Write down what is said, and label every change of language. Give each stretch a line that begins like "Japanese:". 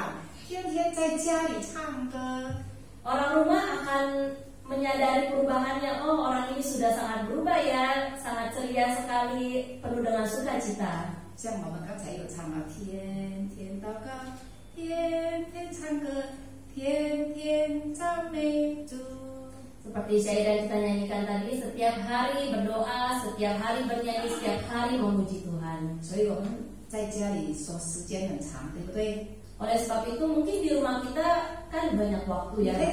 Chinese: 我们的家人一定会发现，哇，他去教会变了咯，变得那么开朗，天天在家里唱歌。
Indonesian: Orang rumah akan menyadari perubahannya. Oh, orang ini sudah sangat berubah ya, sangat ceria sekali, penuh dengan sukacita.
Chinese: 像我们刚才有唱了，天天祷告，天天唱歌，天天赞美主。
Indonesian: Seperti Syaira kita nyanyikan tadi, setiap hari berdoa, setiap hari bernyanyi, setiap hari memuji Tuhan.
Chinese: 所以我们在家里说时间很长，对不对？
Indonesian: Oleh sebab itu mungkin di rumah kita kan banyak waktu ya.